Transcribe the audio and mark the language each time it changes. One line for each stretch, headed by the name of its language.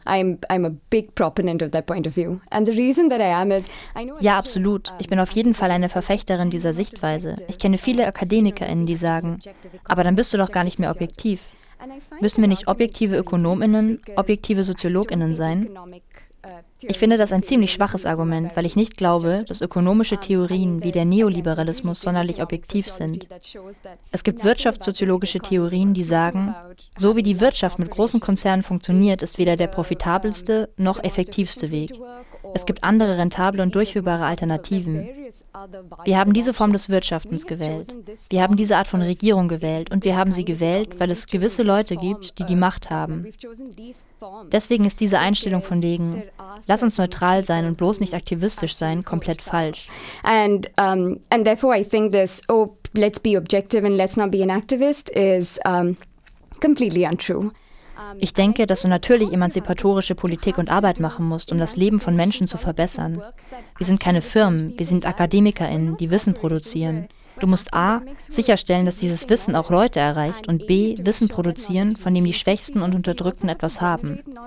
English: I'm a big proponent of that point of view. And the reason that I am is,
German: ja, absolut. Ich bin auf jeden Fall eine Verfechterin dieser Sichtweise. Ich kenne viele AkademikerInnen, die sagen, aber dann bist du doch gar nicht mehr objektiv. Müssen wir nicht objektive ÖkonomInnen, objektive SoziologInnen sein? Ich finde das ein ziemlich schwaches Argument, weil ich nicht glaube, dass ökonomische Theorien wie der Neoliberalismus sonderlich objektiv sind. Es gibt wirtschaftssoziologische Theorien, die sagen, so wie die Wirtschaft mit großen Konzernen funktioniert, ist weder der profitabelste noch effektivste Weg. Es gibt andere rentable und durchführbare Alternativen. Wir haben diese Form des Wirtschaftens gewählt. Wir haben diese Art von Regierung gewählt und wir haben sie gewählt, weil es gewisse Leute gibt, die die Macht haben. Deswegen ist diese Einstellung von wegen, lass uns neutral sein und bloß nicht aktivistisch sein, komplett falsch.
English: And therefore I think this, oh, let's be objective and let's not be an activist, is completely untrue.
German: Ich denke, dass du natürlich emanzipatorische Politik und Arbeit machen musst, um das Leben von Menschen zu verbessern. Wir sind keine Firmen, wir sind AkademikerInnen, die Wissen produzieren. Du musst a. sicherstellen, dass dieses Wissen auch Leute erreicht und b. Wissen produzieren, von dem die Schwächsten und Unterdrückten etwas haben.